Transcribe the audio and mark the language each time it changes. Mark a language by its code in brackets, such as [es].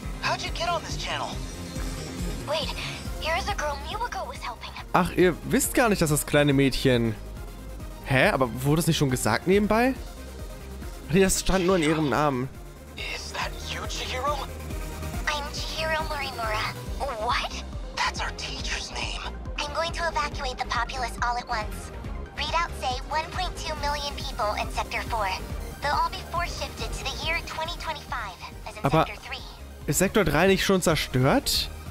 [en] How'd you get on this channel? Wait, here's a girl Miwako was helping. [de] Ach, ihr wisst gar nicht, dass das kleine Mädchen... Hä? Aber wurde das nicht schon gesagt nebenbei? Nee, das stand nur in ihrem Namen. [en] Is that you, Chihiro? I'm Chihiro Morimura. What? That's our teacher's name. I'm going to evacuate the populace all at once. Readouts say 1.2 million people in Sector 4. They'll all be force-shifted to the year 2025, as in Sector 3. [de] Aber ist Sektor 3 nicht schon zerstört?